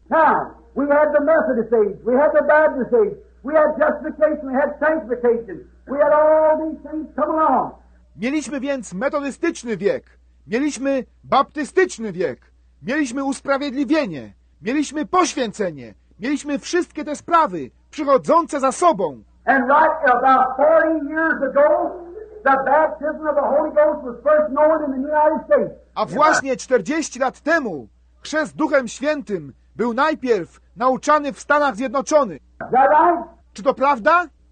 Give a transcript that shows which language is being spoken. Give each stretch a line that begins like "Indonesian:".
English: Now, we had the Methodist age, we had the Baptist age, we had justification, we had sanctification. We had all these things come along.
Polish: Mieliśmy więc metodystyczny wiek, mieliśmy baptystyczny wiek, mieliśmy usprawiedliwienie, mieliśmy poświęcenie, mieliśmy wszystkie te sprawy przychodzące za sobą.
English: And right about 40 years ago, the baptism of the Holy Ghost was first known in the United States.
Polish: A właśnie 40 lat temu chrzest Duchem Świętym był najpierw nauczany w Stanach Zjednoczonych. Czy to prawda?